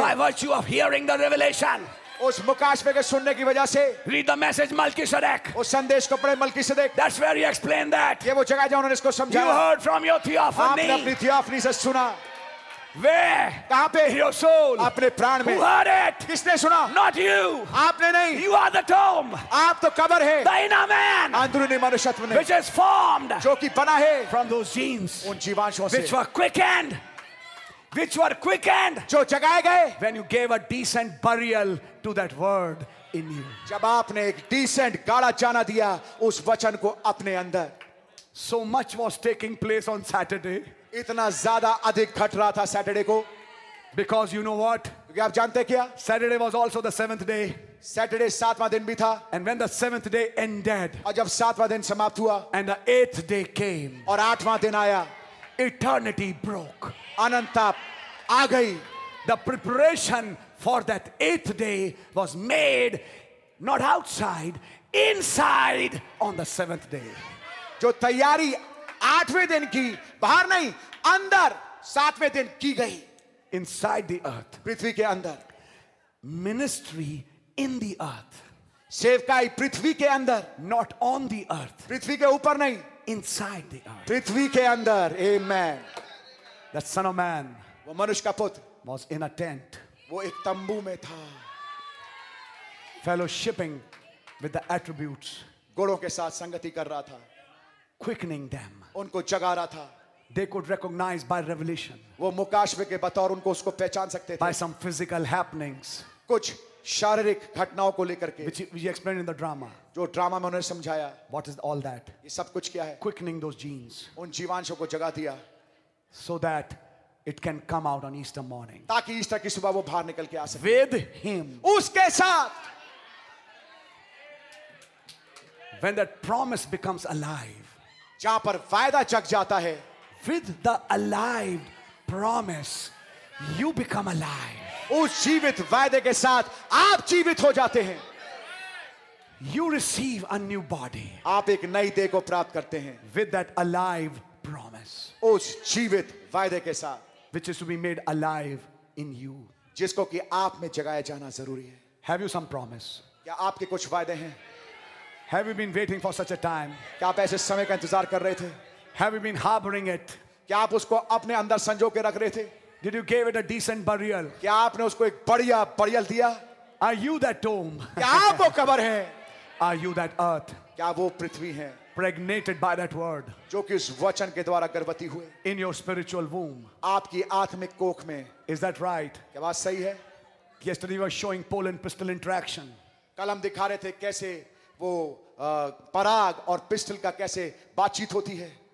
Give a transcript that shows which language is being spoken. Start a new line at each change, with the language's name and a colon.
English: By virtue of hearing the revelation,
Hindi: उस मुकाशवे के सुनने की वजह से.
English: Read the message, Melchizedek.
Hindi: उस संदेश को पढ़े Melchizedek.
English: That's where he explained that.
Hindi: ये वो जगह जहाँ उन्होंने इसको समझाया.
English: You heard from your theophany.
Hindi: आपने अपनी theophany से सुना.
English: Where?
Hindi: कहाँ पे?
English: Your soul.
Hindi: अपने प्राण में.
English: Who heard it?
Hindi: किसने सुना?
English: Not you.
Hindi: आपने नहीं.
English: You are the tomb.
Hindi: आप तो कब्र है.
English: The inner man.
Hindi: अंदरूनी मनुष्यत्व ने.
English: Which is formed.
Hindi: जो कि बना है.
English: From those genes.
Hindi: उन जीवांशों से.
English: Which were quickened. Which were quickened.
Hindi: जो जगाए गए.
English: When you gave a decent burial to that word in you.
Hindi: जब आपने एक decent गाड़ा जाना दिया उस वचन को अपने अंदर.
English: So much was taking place on Saturday.
Hindi: इतना ज्यादा अधिक घट रहा था सैटरडे को.
English: because you know what,
Hindi: क्योंकि आप जानते क्या,
English: Saturday was also the seventh day.
Hindi: Saturday सातवां दिन भी था.
English: and when the seventh day ended,
Hindi: और जब सातवां दिन समाप्त हुआ.
English: and the eighth day came,
Hindi: और आठवां दिन आया.
English: eternity broke,
Hindi: अनंतता आ गई.
English: The preparation for that eighth day was made not outside, inside on the seventh day.
Hindi: जो तैयारी आठवें दिन की, बाहर नहीं अंदर, सातवें दिन की गई.
English: inside the earth,
Hindi: पृथ्वी के अंदर.
English: ministry in the earth,
Hindi: सेवकाई पृथ्वी के अंदर.
English: not on the earth,
Hindi: पृथ्वी के ऊपर नहीं.
English: inside the earth,
Hindi: पृथ्वी के अंदर. आमेन.
English: the son of man,
Hindi: वो मनुष्य का पुत्र,
English: was in a tent,
Hindi: वो एक तंबू में था.
English: fellowshipping with the attributes,
Hindi: गुणों के साथ संगति कर रहा था.
English: quickening them,
Hindi: उनको जगा रहा था.
English: They could recognize by revelation.
Hindi: वो मुकाशवे के बतौर उनको उसको पहचान सकते थे.
English: By some physical happenings.
Hindi: कुछ शारीरिक घटनाओं को लेकर के.
English: Which he explained in the drama.
Hindi: जो ड्रामा में उन्होंने समझाया.
English: What is all that?
Hindi: ये सब कुछ क्या है?
English: Quickening those genes.
Hindi: उन जीवांशों को जगा दिया.
English: So that it can come out on Easter morning.
Hindi: ताकि ईस्टर की सुबह वो बाहर निकल के आ सके.
English: With him.
Hindi: उसके साथ.
English: When that promise becomes alive.
Hindi: जहां पर वायदा जग जाता है.
English: With the alive promise, you become alive.
Hindi: उस जीवित वायदे के साथ आप जीवित हो जाते हैं.
English: You receive a new body.
Hindi: आप एक नई देह को प्राप्त करते हैं.
English: With that alive promise.
Hindi: उस जीवित वायदे के साथ.
English: Which is to be made alive in you.
Hindi: जिसको कि आप में जगाया जाना जरूरी है.
English: Have you some promise?
Hindi: क्या आपके कुछ वायदे हैं?
English: Have you been waiting for such a time?
Hindi: क्या आप ऐसे समय का इंतजार कर रहे थे?
English: Have you been harboring it?
Hindi: क्या आप उसको अपने अंदर संजो के रख रहे थे?
English: Did you give it a decent burial?
Hindi: क्या आपने उसको एक बढ़िया बरियल दिया?
English: Are you that tomb?
Hindi: क्या आप वो कब्र हैं?
English: Are you that earth?
Hindi: क्या वो पृथ्वी हैं?
English: Pregnated by that word.
Hindi: जो कि उस वचन के द्वारा गर्भवती हुए.
English: In your spiritual womb.
Hindi: आपकी आत्मिक कोख में.
English: Is that right?
Hindi: क्या बात सही है?
English: Yesterday we were showing pollen-pistil interaction.
Hindi: कल हम दिखा रहे थे कैसे वो पराग और पिस्टल का कैसे बातचीत होती है.